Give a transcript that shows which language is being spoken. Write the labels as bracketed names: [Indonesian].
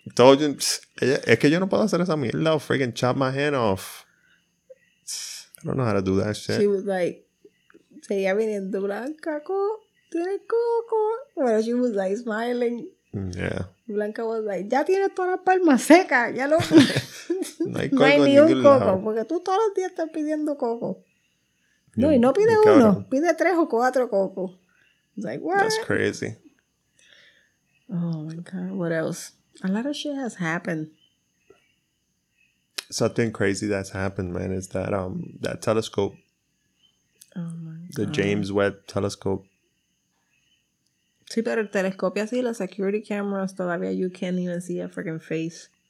[English] Told you, [Spanish] es que yo no puedo hacer esa mierda. [English] I'll freaking chop my hand off. I don't know how to do that shit. She was like, [Spanish] seguía viniendo Blanca, tiene coco. [English] Pero she was like smiling. Yeah. Blanca was like, [Spanish] ya tiene toda la palma seca. Ya lo. No hay coco. No hay ni un coco. Porque tú todos los días estás pidiendo coco. No, y no pide uno. Pide tres o cuatro coco. [English] It's like, what? That's crazy. Oh my God. What else? A lot of shit has happened. Something crazy that's happened, man, is that that telescope. Oh, my God. The James Webb telescope. [Spanish] Sí, pero el telescopio así, las [English] security cameras, todavía you can't even see a freaking face.